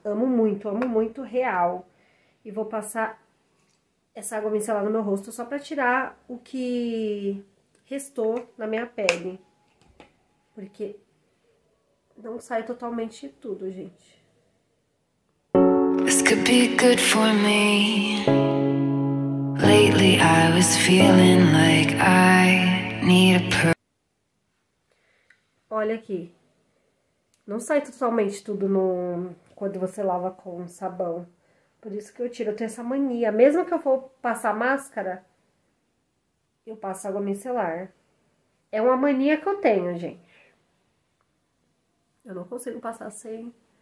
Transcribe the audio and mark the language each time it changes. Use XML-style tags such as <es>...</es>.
<pt>Amo muito real. E vou passar essa água micelar no meu rosto só para tirar o que restou na minha pele. Porque não sai totalmente tudo, gente.</pt> <en>This could be good for me. Lately I was feeling like I need a per.</en> <pt>Olha aqui. Não sai totalmente tudo no quando você lava com sabão. Por isso que eu tiro. Eu tenho essa mania. Mesmo que eu for passar máscara, eu passo água micelar. É uma mania que eu tenho, gente. Eu não consigo passar sem.</pt>